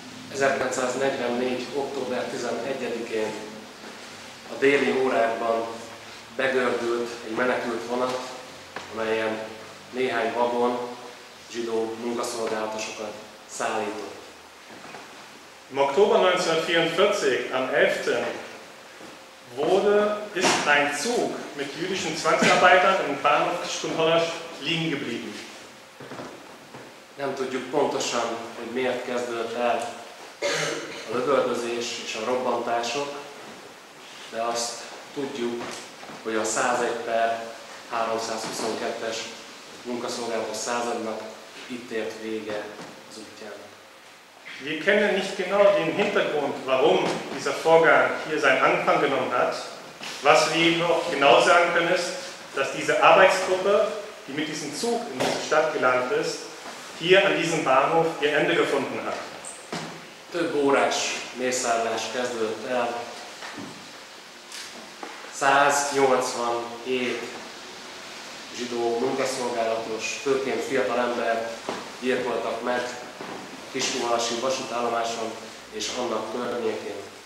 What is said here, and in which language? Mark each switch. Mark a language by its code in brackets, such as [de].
[hu] 1944. október 11-én a déli órákban begördült egy menekült vonat, amelyen néhány vagon zsidó munkaszolgálatosokat szállított. [de] Im Oktober 1944, am 11. wurde, ist ein Zug mit jüdischen Zwangsarbeitern im Bahnhof Kiskunhalas liegen geblieben. [hu] Nem tudjuk pontosan, hogy miért kezdődött el a lövöldözés és a robbantások, de azt tudjuk, hogy a 101/322-es munkaszolgálatos századnak itt ért vége az útján. [de] Wir kennen nicht genau den Hintergrund, warum dieser Vorgang hier seinen Anfang genommen hat. Was wir jedoch genau sagen können, ist, dass diese Arbeitsgruppe, die mit diesem Zug in diese Stadt gelandet ist, hier an diesem Bahnhof ihr Ende gefunden hat. [hu] Több órás mészárlás kezdődött el. 187 zsidó munkaszolgálatos, főként fiatal ember gyilkoltak meg Kiskunhalasi vasútállomáson és annak környékén.